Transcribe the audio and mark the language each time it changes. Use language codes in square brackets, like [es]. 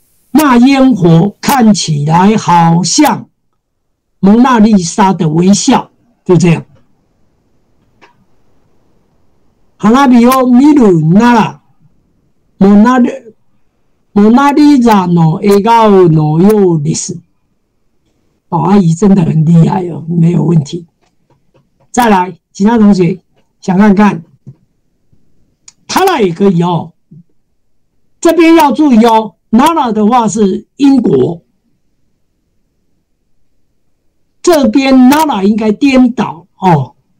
[zh] 那烟火看起来好像蒙娜丽莎的微笑，就这样。 [ja] 花火を見るなら、蒙娜丽莎の笑顔のようです。 [zh] 哦，阿姨真的很厉害哦，没有问题。再来，其他同学想看看，他那也可以哦。这边要注意哦。Nara 的话是英国，这边 Nara 应该颠倒哦。